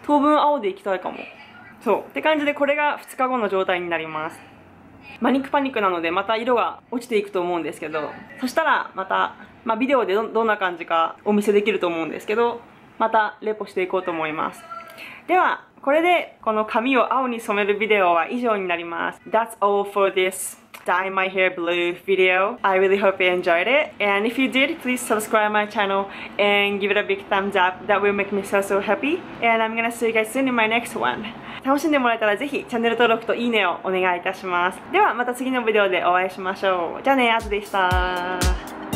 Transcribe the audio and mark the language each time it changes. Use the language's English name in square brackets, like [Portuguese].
[Japanese] 当分青でいきたいかも。そうって感じで、これが2日後の状態になります。マニックパニックなのでまた色が落ちていくと思うんですけど、そしたらまた、まあ、ビデオで どんな感じかお見せできると思うんですけど、またレポしていこうと思います。ではこれでこの髪を青に染めるビデオは以上になります。 [English] That's all for this dye my hair blue video. I really hope you enjoyed it, and if you did, please subscribe my channel and give it a big thumbs up. That will make me so so happy, and I'm gonna see you guys soon in my next one. [Japanese] 楽しんでもらえたらぜひチャンネル登録といいねをお願いいたします。ではまた次のビデオでお会いしましょう。じゃあね、あずでした。